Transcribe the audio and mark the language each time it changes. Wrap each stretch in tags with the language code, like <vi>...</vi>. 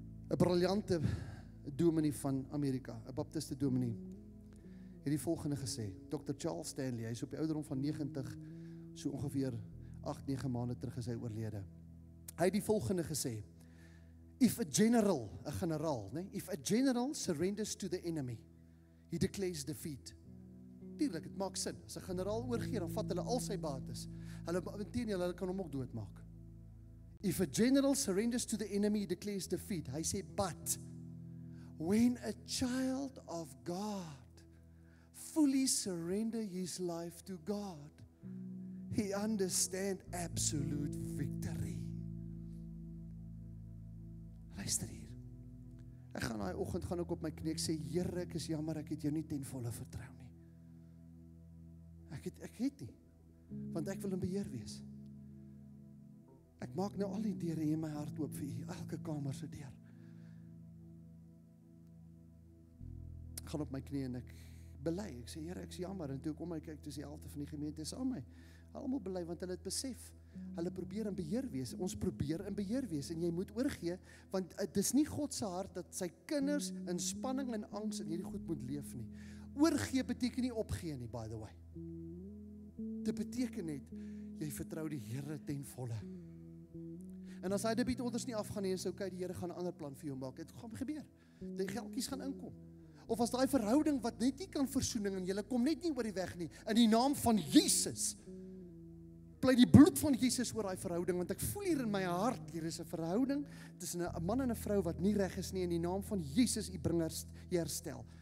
<af>'N briljante dominee van Amerika, 'n baptiste dominee, het die volgende gesê. Dr. Charles Stanley, hy is op die ouderdom van 90, so ongeveer 8-9 maande terug is hy oorlede. Hy het die volgende gesê.</af> <en>If a general surrenders to the enemy, he declares defeat.</en> <af>Tuurlik, dit maak sin. As 'n generaal oorgee, dan vat hulle al sy bates. Hulle kan hom ook doodmaak.</af> <en>If a general surrenders to the enemy, he declares defeat.</en> <af>Hy sê,</af> <en>but when a child of God fully surrender his life to God, he understand absolute victory.</en> <af>Luister hier. Ek gaan daai oggend gaan ek op my knie sê, Here, ek is jammer, ek het jou nie ten volle vertrou nie. Ek het nie, want ek wil in beheer wees. Ek maak nou al die deure in my hart oop vir u, elke kamer se deur. Ek gaan op my knie en ek bely. Ek sê, Here, ek is jammer. En toe kom ek kyk, dis die helfte van die gemeente is aan my. Hulle almal bely, want hulle het besef. Hulle probeer in beheer wees. Ons probeer in beheer wees. En jy moet oorgee, want dis nie God se hart dat sy kinders in spanning en angs in hierdie goed moet leef nie. Oorgee beteken nie opgee nie,</af> <en>by the way.</en> <af>Dit beteken net, jy vertrou die Here ten volle. En as hy die debietorders nie afgaan nie, is ok, die Here gaan 'n ander plan vir jou maak. Dit gaan gebeur. Die geldjies gaan inkom. Of as daai verhouding wat net nie kan versoening en julle kom net nie oor die weg nie, in die naam van Jesus, bly die bloed van Jesus oor daai verhouding, want ek voel hier in my hart, hier is 'n verhouding tussen 'n man en 'n vrou wat nie reg is nie, in die naam van Jesus, u bringers, u herstel.</af>